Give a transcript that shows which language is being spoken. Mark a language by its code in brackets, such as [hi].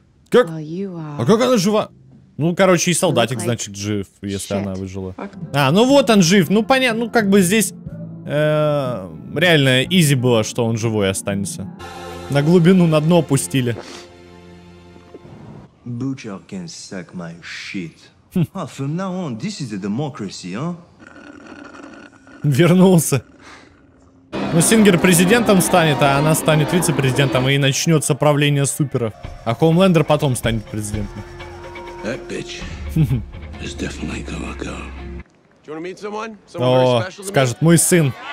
[ru] Как? [en] Well, you, [ru] а как она жива? Ну, короче, и солдатик, like... значит, жив, если Shit. Она выжила. А, ну вот он жив, ну понятно, ну как бы здесь реально изи было, что он живой останется. На глубину, на дно опустили. [en] Butcher can suck my shit. Hm. Oh, from now on, this is a democracy, huh? [ru] Вернулся. Ну, Сингер президентом станет, а она станет вице-президентом, и начнется правление суперов. А Хоумлендер потом станет президентом. [en] That bitch is definitely gonna go. Do you wanna meet someone? [ru] О, скажет, мой сын.